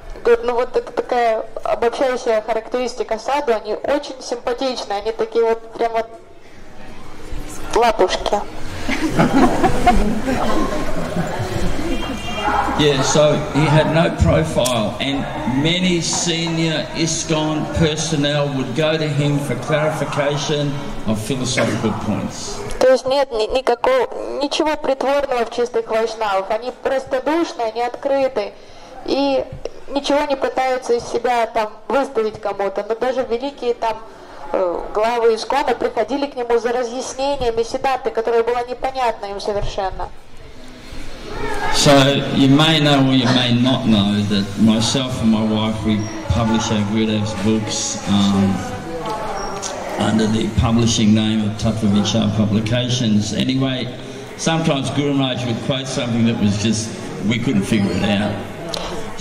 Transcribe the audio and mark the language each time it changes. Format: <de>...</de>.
<ru>Говорит, ну вот это такая обобщающая характеристика саду, они очень симпатичные, они такие вот прям вот лапушки.</ru> <en>Yeah, so he had no profile, and many senior ISKCON personnel would go to him for clarification of philosophical points.</en> <ru>То есть нет ничего притворного в чистых вайшнавах, они простодушные, они открыты, и ничего не пытаются из себя там выставить кому-то, но даже великие там главы ИСКОНа приходили к нему за разъяснениями сиддхарты, которая была непонятна им совершенно.</ru> <en>So you may know or you may not know that myself and my wife, we publish our Gurudev's books under the publishing name of Tattva Vichar Publications. Anyway, sometimes Guru Maharaj would quote something that was just, we couldn't figure it out.</en>